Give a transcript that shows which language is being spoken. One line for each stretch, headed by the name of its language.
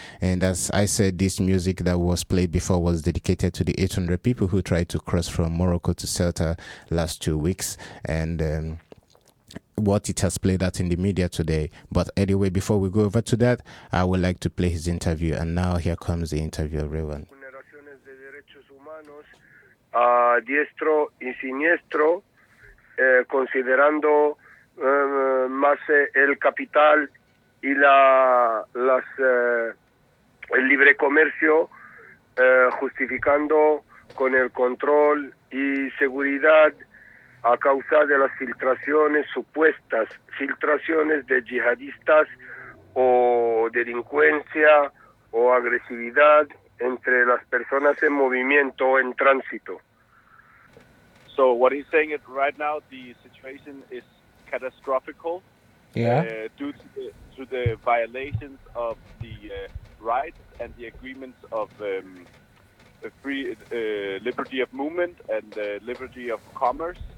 English: And as I said, this music that was played before was dedicated to the 800 people who tried to cross from Morocco to Ceuta last 2 weeks, and what it has played out in the media today. But anyway, before we go over to that, I would like to play his interview. And now here comes the interview of Reduan.
Spanish: A diestro y siniestro, considerando más el capital y el libre comercio, justificando con el control y seguridad a causa de las filtraciones, supuestas filtraciones de yihadistas o delincuencia o agresividad entre las personas en movimiento o en tránsito.
English: So what he's saying is right now the situation is catastrophical. Yeah. Due to the violations of the rights and the agreements of free liberty of movement and liberty of commerce.